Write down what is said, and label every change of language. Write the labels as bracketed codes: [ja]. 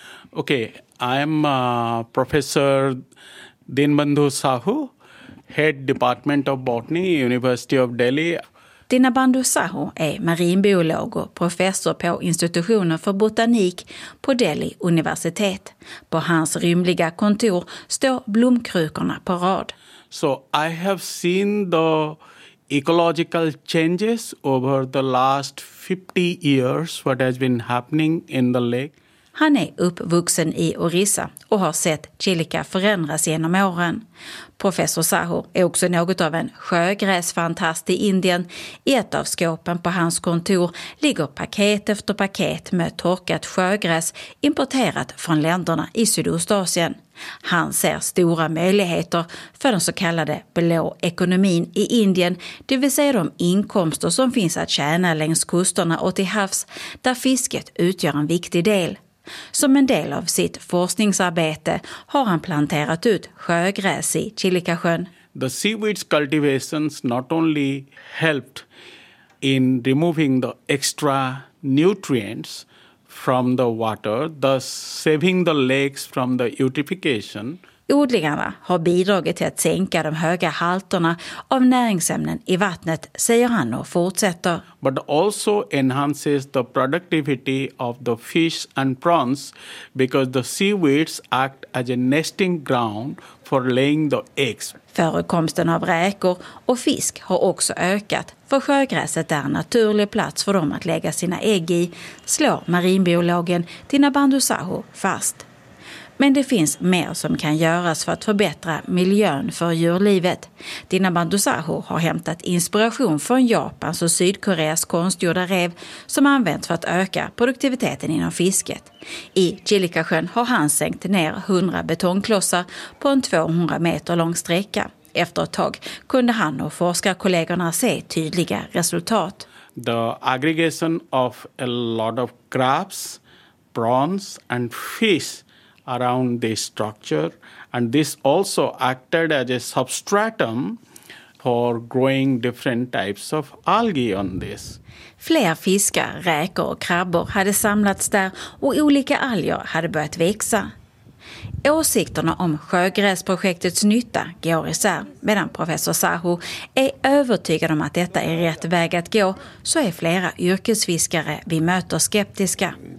[en] Okej. I'm professor Dinbandhu Sahu, head department of botany, University of Delhi. [sv] Dinbandhu Sahu är marinbiolog och professor på institutionen för botanik på Delhi universitet. På hans rymliga kontor står blomkrukorna på rad. [en] So I have seen the ecological changes over the last 50 years, what has been happening in the lake. [sv] Han är uppvuxen i Orissa och har sett Chilika förändras genom åren. Professor Sahu är också något av en sjögräsfantast i Indien. I ett av skåpen på hans kontor ligger paket efter paket med torkat sjögräs importerat från länderna i Sydostasien. Han ser stora möjligheter för den så kallade blå ekonomin i Indien, det vill säga de inkomster som finns att tjäna längs kusterna och till havs, där fisket utgör en viktig del. Som en del av sitt forskningsarbete har han planterat ut sjögräs i Chilikasjön. [en] The seaweed cultivations not only helped in removing the extra nutrients from the water, thus saving the lakes from the eutrophication. [sv] Odlingarna har bidragit till att sänka de höga halterna av näringsämnen i vattnet, säger han och fortsätter. [en] But also enhances the productivity of the fish and prawns because the seaweeds act as a nesting ground for laying the eggs. [sv] Förekomsten av räkor och fisk har också ökat, för sjögräset är en naturlig plats för dem att lägga sina ägg i, slår marinbiologen Tina Bandusaho fast. Men det finns mer som kan göras för att förbättra miljön för djurlivet. Dina Bandusaho har hämtat inspiration från Japans och Sydkoreas konstgjorda rev som används för att öka produktiviteten inom fisket. I Chilikasjön har han sänkt ner 100 betongklossar på en 200 meter lång sträcka. Efter ett tag kunde han och forskarkollegorna se tydliga resultat. [en] The aggregation of a lot of crabs, prawns and fish around this structure, and this also acted as a substratum for growing different types of algae on this. [sv] Fler fiskar, räkor och krabbor hade samlats där och olika alger hade börjat växa. Åsikterna om sjögräsprojektets nytta går isär. Medan professor Sahu är övertygad om att detta är rätt väg att gå, så är flera yrkesfiskare vi möter skeptiska.